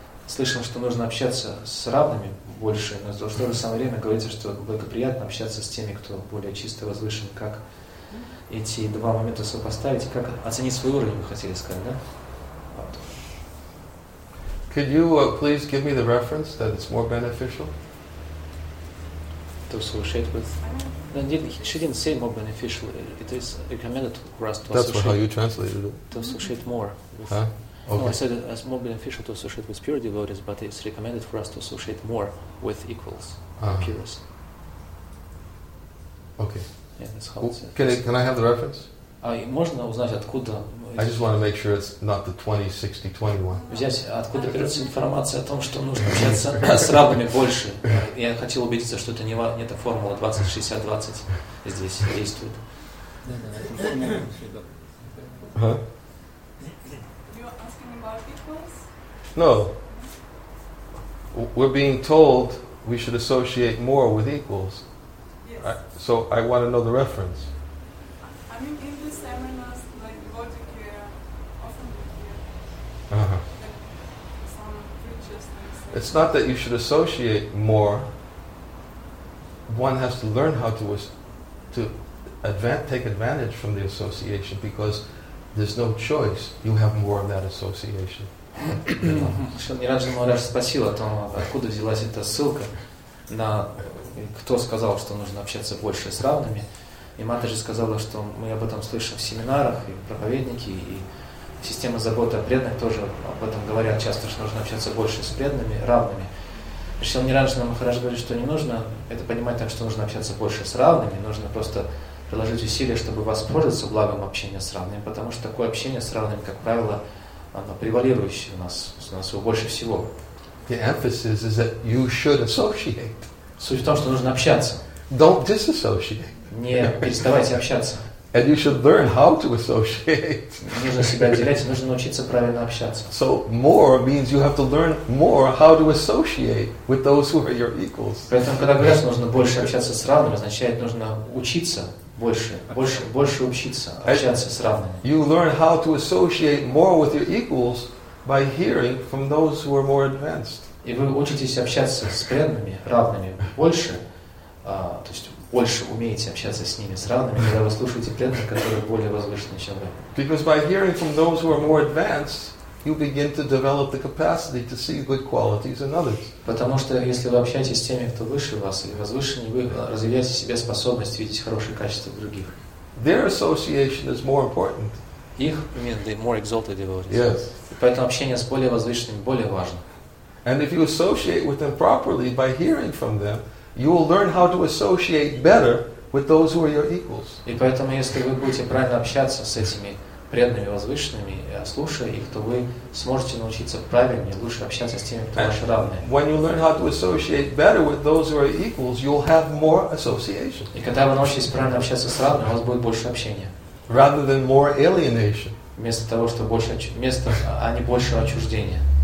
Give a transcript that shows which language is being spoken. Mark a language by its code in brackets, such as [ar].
[ru] Слышно, что нужно общаться с равными больше, но в то же самое время говорится, что благоприятно общаться с теми, кто более чисто возвышен. Как эти два момента сопоставить? Как оценить свой уровень, вы хотели сказать, да? Вот. [en] Could you please give me the reference that it's more beneficial? To associate with... No, she didn't say more beneficial. It is recommended for us to That's associate... That's how you translated it. To associate more with... Huh? Okay. No, I said it's more beneficial to associate with pure devotees, but it's recommended for us to associate more with equals, peers. Okay. Yeah, that's how can I have the reference? [ru] Можно узнать, откуда... [en] I just want to make sure it's not the 20-60-21. [ru] Взять, откуда берется информация о том, что нужно общаться с равными больше. Я хотел убедиться, что это не эта формула 20-60-20 здесь действует. [en] Huh? Equals? No. We're being told we should associate more with equals. Yes. So I want to know the reference. I mean, in the seminars, like devotee care, often we hear uh-huh. like some preachers. It's not that you should associate more. One has to learn how to take advantage from the association because there's no choice. You have more of that association. [ru] Ираджан Мараш спросил о том, откуда взялась эта ссылка на кто сказал, что нужно общаться больше с равными. И Матаджи сказала, что мы об этом слышим в семинарах, и проповедники, и система заботы о преданных тоже об этом говорят часто, что нужно общаться больше с преданными, равными. Шрила Нираджана Махарадж говорит, что не нужно это понимать так, что нужно общаться больше с равными, нужно просто приложить усилия, чтобы воспользоваться благом общения с равными, потому что такое общение с равными, как правило, оно превалирующее у нас его больше всего. [en] The emphasis is that you should associate. [ru] Суть в том, что нужно общаться. [en] Don't disassociate. [ru] Не переставайте общаться. [en] And you should learn how to associate. [ru] Нужно себя отделять, нужно научиться правильно общаться. [en] So more means you have to learn more how to associate with those who are your equals. [ru] Поэтому, когда говорят, что нужно больше общаться с равными, означает, нужно учиться. Больше учиться, общаться с равными. [en] You learn how to associate more with your equals by hearing from those who are more advanced. [ru] И вы учитесь общаться с преданными, равными, больше, то есть больше умеете общаться с ними, с равными, когда вы слушаете преданных, которые более возвышены, чем вы. [en] Because by hearing from those who are more advanced, you begin to develop the capacity to see good qualities in others. [ru] Потому что если вы общаетесь с теми, кто выше вас или возвышеннее, вы развиваете в себе способность видеть хорошие качества в других. [en] Their association is more important. [ru] Их, [en] I mean, the more exalted devotees. Yes. [ru] И поэтому общение с более возвышенными более важно. [en] And if you associate with them properly by hearing from them, you will learn how to associate better with those who are your equals. [ru] И поэтому если вы будете правильно общаться с этими преданными, возвышенными, слушая их, то вы сможете научиться правильнее, лучше общаться с теми, кто ваши равные. [en] When you learn how to associate better with those who are equals, you'll have more association. [ru] И когда вы научитесь правильно общаться с равными, у вас будет больше общения. [en] Rather than more alienation. [ru] Вместо того, что больше, вместо, а не больше отчуждения.